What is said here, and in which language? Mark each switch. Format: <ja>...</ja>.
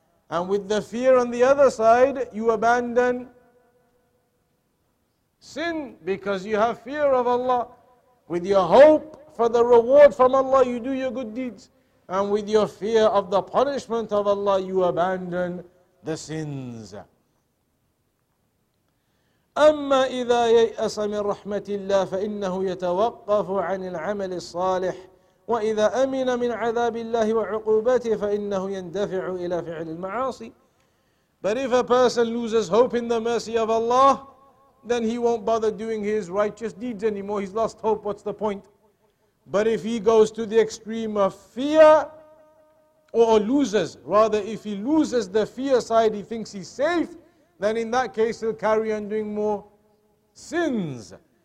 <en>And with the fear on the other side, you abandon sin because you have fear of Allah. With your hope for the reward from Allah, you do your good deeds. And with your fear of the punishment of Allah, you abandon the sins.</en> <ar>أما إذا ييأس من رحمة الله فإنه يتوقف عن العمل الصالح وإذا أمن من عذاب الله وعقوبته فإنه يندفع إلى فعل المعاصي.</ar> <en>But if a person loses hope in the mercy of Allah, then he won't bother doing his righteous deeds anymore. He's lost hope. What's the point? But if he goes to the extreme of fear, if he loses the fear side, he thinks he's safe, then in that case, he'll carry on doing more sins.</en>